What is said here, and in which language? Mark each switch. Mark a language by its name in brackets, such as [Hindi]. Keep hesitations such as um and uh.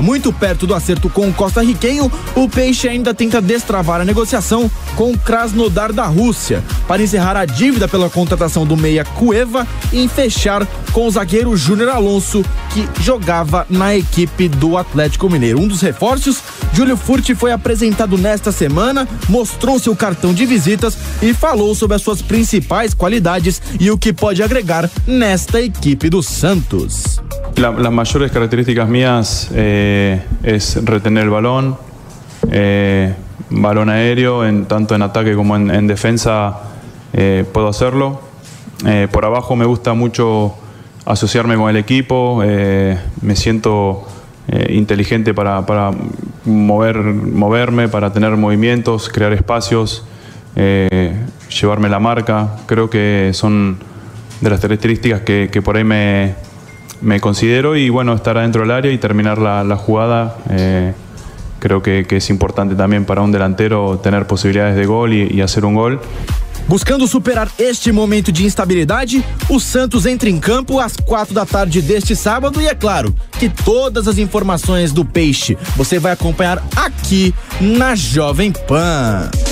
[Portuguese] Muito perto do acerto com o Costa Rica o Peixe ainda tenta destravar a negociação com o Krasnodar da Rússia para encerrar a dívida pela contratação do meia Cueva e fechar com o zagueiro Júnior Alonso, que jogava na equipe do Atlético Mineiro. Um dos reforços, Júlio Furti foi apresentado nesta semana, mostrou seu cartão de visitas e falou sobre as suas principais qualidades e o que pode agregar nesta equipe do Santos. [Spanish] La, las mayores características mías eh, es retener el balón, eh, balón aéreo, en, tanto en ataque como en, en defensa eh, puedo hacerlo. por abajo me gusta mucho asociarme con el equipo, me siento inteligente para, para, mover, moverme, para tener movimientos, crear espacios, llevarme la marca. Creo que son de las características que, que por ahí me, me considero e, bueno, estar adentro del área e terminar a la, la jugada. Eh, creo que, [Portuguese] é importante também para um delantero ter possibilidades de gol e [Spanish] y, y hacer un gol. [Portuguese] Buscando superar este momento de instabilidade, o Santos entra em campo às quatro da tarde deste sábado e é claro que todas as informações do peixe você vai acompanhar aqui na Jovem Pan.